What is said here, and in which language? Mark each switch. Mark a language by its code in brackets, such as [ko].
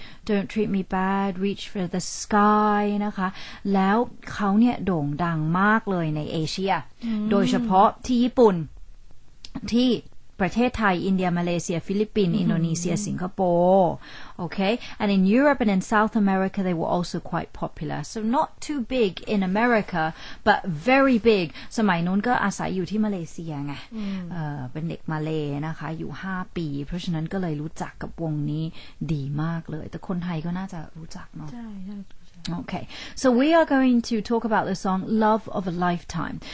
[th] Don't Treat Me Bad Reach for the Sky นะคะแล้วเขาเนี่ยโด่งดังมากเลยในเอเชียโดยเฉพาะที่ญี่ปุ่นที่ประเทศไทยอินเดียมาเลเซียฟิลิปปินส์อินโดนีเซียสิงคโปร์ [en] Okay, and in Europe and in South America, they were also quite popular. So not too big in America, but very big. So my nun [th] ก็อาศัยอยู่ที่มาเลเซียไงเป็นเด็กมาเลย์นะคะอยู่5ปีเพราะฉะนั้นก็เลยรู้จักกับวงนี้ดีมากเลยแต่คนไทยก็น่าจะรู้จักเนาะ ใช่ๆ [en] Okay, so we are going to talk about the song Love of a Lifetime.